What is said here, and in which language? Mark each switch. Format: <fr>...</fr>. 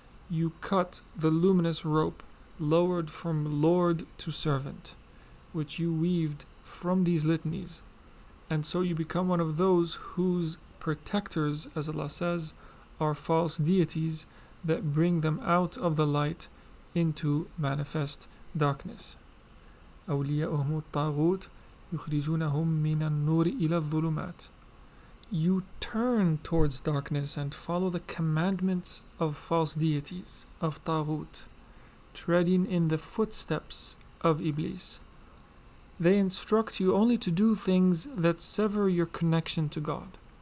<en>You cut the luminous rope lowered from Lord to servant, which you weaved from these litanies, and so you become one of those whose protectors, as Allah says, are false deities that bring them out of the light into manifest darkness.</en> <ar>أولياؤهم الطاغوت يخرجونهم من النور إلى الظلمات.</ar> <en>You turn towards darkness and follow the commandments of false deities, of Taghut, treading in the footsteps of Iblis. They instruct you only to do things that sever your connection to God.</en>